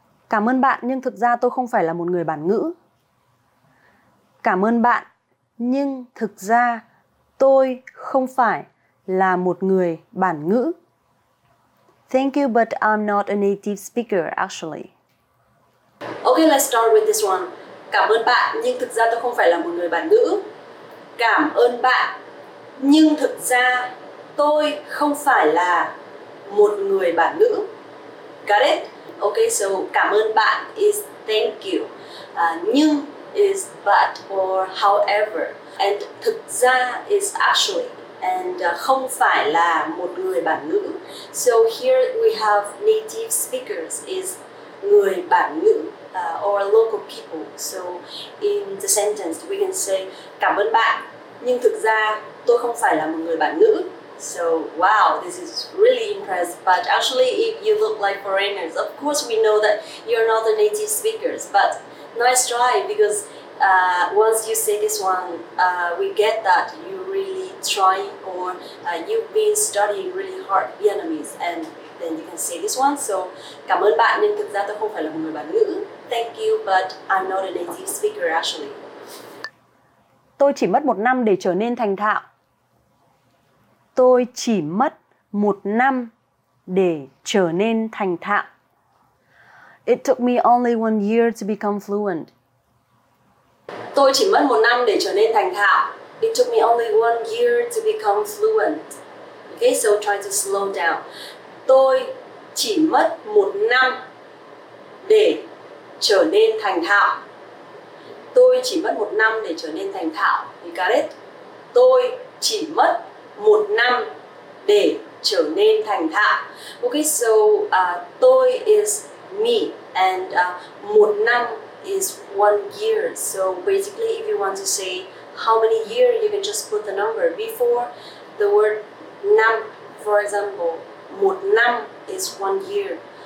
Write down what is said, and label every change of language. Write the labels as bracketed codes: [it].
[vi] Cảm ơn bạn, nhưng thực ra tôi không phải là một người bản ngữ. Cảm ơn bạn, nhưng thực ra tôi không phải là một người bản ngữ. [en] Thank you, but I'm not a native speaker, actually. Okay, let's start with this one. [vi] Cảm ơn bạn, nhưng thực ra tôi không phải là một người bản ngữ. Cảm ơn bạn, nhưng thực ra tôi không phải là một người bản ngữ. [en] Got it? Okay, so [vi] cảm ơn bạn [en] is thank you. Nhưng is but or however. And thực ra is actually. And [vi] không phải là một người bản ngữ. [en] So here we have native speakers is người bản ngữ or local people. So in the sentence we can say [vi] cảm ơn bạn, nhưng thực ra tôi không phải là một người bản ngữ. [en] So, wow, this is really impressive. But actually, if you look like foreigners, of course we know that you're not the native speakers. But nice try, because once you say this one, we get that you really try or you've been studying really hard Vietnamese. And then you can say this one. [vi] So, cảm ơn bạn, nhưng thực ra tôi không phải là một người bản ngữ. [en] Thank you, but I'm not a native speaker, actually. [vi] Tôi chỉ mất một năm để trở nên thành thạo. Tôi chỉ mất một năm để trở nên thành thạo. [en] It took me only one year to become fluent. [vi] Tôi chỉ mất một năm để trở nên thành thạo. [en] It took me only one year to become fluent. Okay, so try to slow down. [vi] Tôi chỉ mất một năm để trở nên thành thạo. Tôi chỉ mất một năm để trở nên thành thạo. [en] You got it? [vi] Tôi chỉ mất một năm để trở nên thành thạo. [en] Okay, so tôi is me and một năm is one year. So basically, if you want to say how many year, you can just put the number before the word năm. For example, một năm is one year.